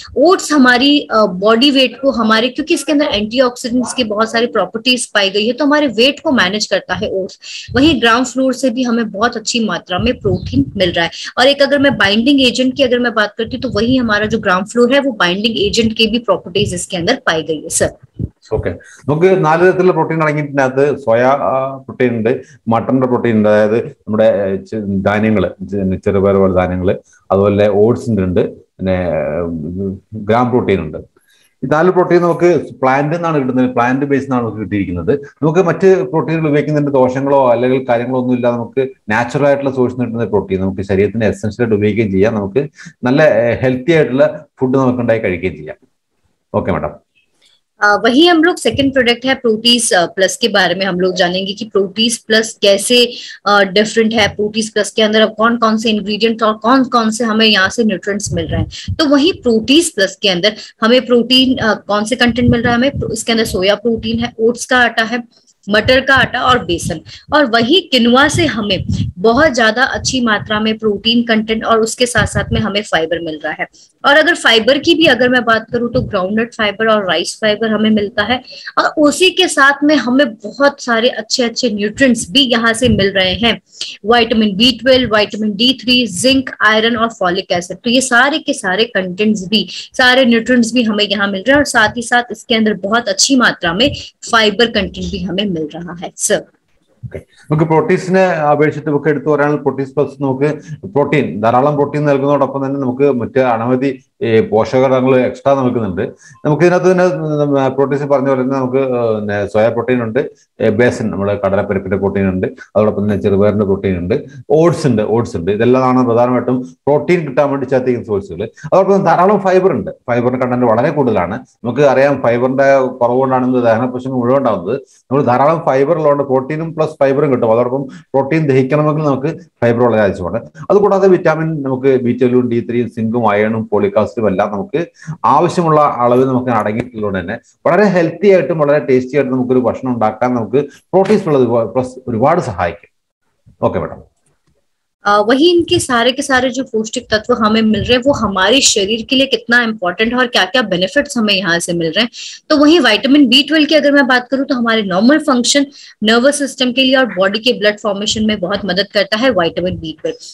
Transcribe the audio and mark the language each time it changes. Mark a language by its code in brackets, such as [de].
[hi] Oats हमारी body weight को हमारे, क्योंकि इसके अंदर एंटीऑक्सीडेंट्स की बहुत सारी प्रॉपर्टीज पाई गई है तो हमारे वेट को मैनेज करता है ओट्स. वहीं ग्राम फ्लोर से भी हमें बहुत अच्छी मात्रा में प्रोटीन मिल रहा है. और एक अगर मैं बाइंडिंग एजेंट की अगर मैं बात करती हूँ तो वही हमारा जो ग्राम फ्लोर है वो बाइंडिंग एजेंट की भी प्रॉपर्टीज इसके अंदर पाई गई है सर. [ml] ഓക്കെ, നമുക്ക് നാല് തരത്തിലുള്ള പ്രോട്ടീൻ അടങ്ങിയിട്ടുണ്ട്. അത് സോയ പ്രോട്ടീൻ ഉണ്ട്, മട്ടറിന്റെ പ്രോട്ടീൻ ഉണ്ട്, അതായത് നമ്മുടെ ധാന്യങ്ങൾ ചെറുപയർ പോലെ ധാന്യങ്ങൾ, അതുപോലെ ഓട്സിൻ്റെ ഉണ്ട്, പിന്നെ ഗ്രാം പ്രോട്ടീൻ ഉണ്ട്. ഈ നാല് പ്രോട്ടീൻ നമുക്ക് പ്ലാന്റിൽ നിന്നാണ് കിട്ടുന്നത്, പ്ലാന്റ് ബേസ്ഡ് നിന്നാണ് നമുക്ക് കിട്ടിയിരിക്കുന്നത്. നമുക്ക് മറ്റ് പ്രോട്ടീനുകൾ ഉപയോഗിക്കുന്നതിന്റെ ദോഷങ്ങളോ അല്ലെങ്കിൽ കാര്യങ്ങളോ ഒന്നും ഇല്ല, നമുക്ക് നാച്ചുറൽ ആയിട്ടുള്ള സോഴ്സ് കിട്ടുന്ന പ്രോട്ടീൻ നമുക്ക് ശരീരത്തിന്റെ എസെൻഷ്യൽ ആയിട്ട് ഉപയോഗിക്കുകയും ചെയ്യാം, നമുക്ക് നല്ല ഹെൽത്തി ആയിട്ടുള്ള ഫുഡ് നമുക്ക് ഉണ്ടായി കഴിക്കുകയും ചെയ്യാം. Okay madam. [hi] वही हम लोग सेकंड प्रोडक्ट है प्रोटीज प्लस के बारे में हम लोग जानेंगे कि प्रोटीज प्लस कैसे डिफरेंट है, प्रोटीज प्लस के अंदर अब कौन कौन से इंग्रेडिएंट और कौन कौन से हमें यहाँ से न्यूट्रिएंट्स मिल रहे हैं. तो वही प्रोटीज प्लस के अंदर हमें प्रोटीन कौन से कंटेंट मिल रहा है, हमें इसके अंदर सोया प्रोटीन है, ओट्स का आटा है, मटर का आटा और बेसन. और वही किनुआ से हमें बहुत ज्यादा अच्छी मात्रा में प्रोटीन कंटेंट और उसके साथ साथ में हमें फाइबर मिल रहा है. और अगर फाइबर की भी अगर मैं बात करूं तो ग्राउंडनट फाइबर और राइस फाइबर हमें मिलता है और उसी के साथ में हमें बहुत सारे अच्छे अच्छे न्यूट्रिएंट्स भी यहाँ से मिल रहे हैं, vitamin B12, vitamin D3, zinc, iron और फॉलिक एसिड. तो ये सारे के सारे कंटेंट्स भी, सारे न्यूट्रिएंट्स भी हमें यहाँ मिल रहे हैं और साथ ही साथ इसके अंदर बहुत अच्छी मात्रा में फाइबर कंटेंट भी हमें मिल रहा है सर. [ml] നമുക്ക് പ്രോട്ടീൻസിനെ അപേക്ഷിച്ച് നമുക്ക് എടുത്തു പറയുകയാണെങ്കിൽ പ്രോട്ടീൻസ് പ്ലസ് നമുക്ക് പ്രോട്ടീൻ ധാരാളം പ്രോട്ടീൻ നൽകുന്നതോടൊപ്പം തന്നെ നമുക്ക് മറ്റ് അനവധി പോഷകഘടകങ്ങൾ എക്സ്ട്രാ നൽകുന്നുണ്ട്. നമുക്ക് ഇതിനകത്ത് തന്നെ പ്രോട്ടീൻസ് പറഞ്ഞ പോലെ തന്നെ നമുക്ക് സോയാ പ്രോട്ടീൻ ഉണ്ട്, ബേസൻ നമ്മുടെ കടലപ്പരിപ്പിന്റെ പ്രോട്ടീൻ ഉണ്ട്, അതോടൊപ്പം തന്നെ ചെറുപയറിന്റെ പ്രോട്ടീൻ ഉണ്ട്, ഓട്സ് ഉണ്ട്. ഇതെല്ലാമാണ് പ്രധാനമായിട്ടും പ്രോട്ടീൻ കിട്ടാൻ വേണ്ടി ചേർത്തിരിക്കുന്ന സോഴ്സുകൾ. അതോടൊപ്പം ധാരാളം ഫൈബർ ഉണ്ട്, ഫൈബറിന്റെ കണ്ടന്റ് വളരെ കൂടുതലാണ്. നമുക്ക് അറിയാം ഫൈബറിന്റെ കുറവുകൊണ്ടാണ് ദഹന പ്രശ്നങ്ങൾ മുഴുവൻ ഉണ്ടാകുന്നത്. നമ്മൾ ധാരാളം ഫൈബർ ഉള്ളതുകൊണ്ട് പ്രോട്ടീനും പ്ലസ് ഫൈബറും കിട്ടും. അതോടൊപ്പം പ്രോട്ടീൻ ദഹിക്കണമെങ്കിൽ നമുക്ക് ഫൈബർ വളരെ ആവശ്യമാണ്. അതുകൂടാതെ വിറ്റാമിൻ നമുക്ക് ബി12ഉം ഡി3ഉം സിങ്കും അയണും പോളിക്കാൽസ്യം എല്ലാം നമുക്ക് ആവശ്യമുള്ള അളവ് നമുക്ക് അടങ്ങിയിട്ടുള്ളത് തന്നെ വളരെ ഹെൽത്തി ആയിട്ടും വളരെ ടേസ്റ്റി ആയിട്ടും നമുക്കൊരു ഭക്ഷണം ഉണ്ടാക്കാൻ നമുക്ക് പ്രോട്ടീൻസ് ഉള്ളത് പ്ലസ് ഒരുപാട് സഹായിക്കും. Okay madam. [hi] वही इनके सारे के सारे जो पौष्टिक तत्व हमें मिल रहे हैं वो हमारे शरीर के लिए कितना इम्पोर्टेंट है और क्या क्या बेनिफिट्स हमें यहाँ से मिल रहे हैं. तो वही विटामिन बी12 की अगर मैं बात करूं तो हमारे नॉर्मल फंक्शन, नर्वस सिस्टम के लिए और बॉडी के ब्लड फॉर्मेशन में बहुत मदद करता है विटामिन बी12.